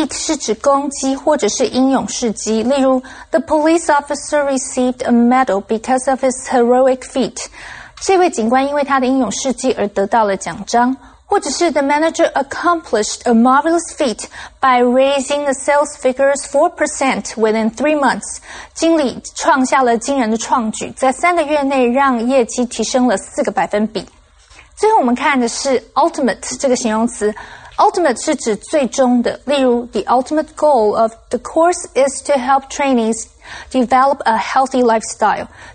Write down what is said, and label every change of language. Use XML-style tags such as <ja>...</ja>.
<en>feat</en> <zh>是指攻击或者是英勇事迹。例如,</zh> <en>the police officer received a medal because of his heroic feat.</en> <zh>这位警官因为他的英勇事迹而得到了奖章。或者是</zh> <en>the manager accomplished a marvelous feat by raising the sales figures 4% within 3 months.</en> <zh>经理创下了惊人的创举，在三个月内让业绩提升了4个百分比。最后我们看的是 ultimate 这个形容词。</zh> <en>Ultimate</en> <zh>是指最终的, 例如</zh> <en>the ultimate goal of the course is to help trainees develop a healthy lifestyle.</en>